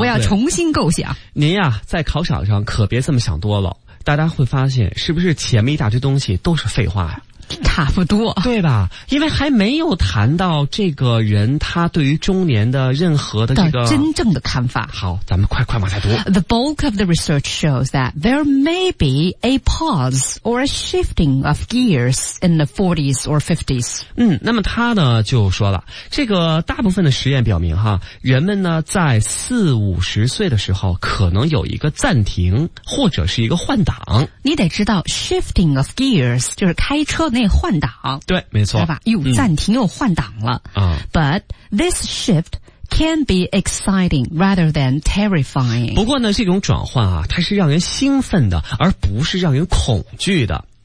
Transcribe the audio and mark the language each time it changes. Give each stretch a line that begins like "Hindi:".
Chinese: 我要重新构想。您呀、在考场上可别这么想多了，大家会发现是不是前面一大堆东西都是废话呀、差不多，对吧？因为还没有谈到这个人他对于中年的任何的这个真正的看法。好，咱们快快往下读。
English: The bulk of the research shows that there may be a pause or a shifting of gears in the 40s or 50s。
Chinese: 那么他呢就说了，这个大部分的实验表明哈，人们呢在四五十岁的时候可能有一个暂停或者是一个换挡。你得知道
English: shifting of gears
Chinese: 就是开车那换挡，对，没错，对吧？又暂停又换挡了、
English: But this shift can be exciting rather than terrifying。
Chinese: 不过呢，这种转换啊，它是让人兴奋的，而不是让人恐惧的。